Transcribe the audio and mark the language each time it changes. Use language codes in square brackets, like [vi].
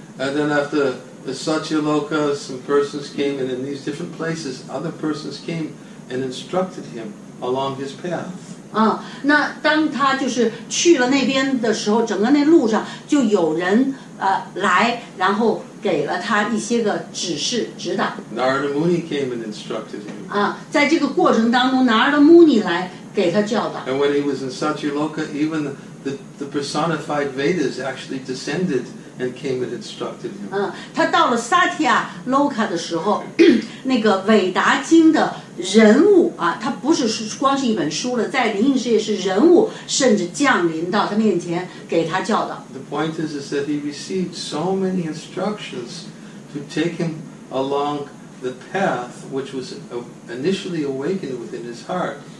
[en] And then after the Satya Loka, some persons came, and in these different places, other persons came and instructed him along his path. [zh] 那当他就是去了那边的时候，整个那路上就有人来，然后给了他一些个指示指导。 [en] Narada Muni came and instructed him. [zh] 在这个过程当中 ，Narada Muni 来。 [en] And when he was in Satyaloka, even the personified Vedas actually descended and came and instructed him. [zh] 他到了 Satya Loka 的时候，那个韦达经的人物他不是光是一本书了，在灵性世界是人物，甚至降临到他面前给他教导。 [en] The point is that he received so many instructions to take him along the path which was initially awakened within his heart.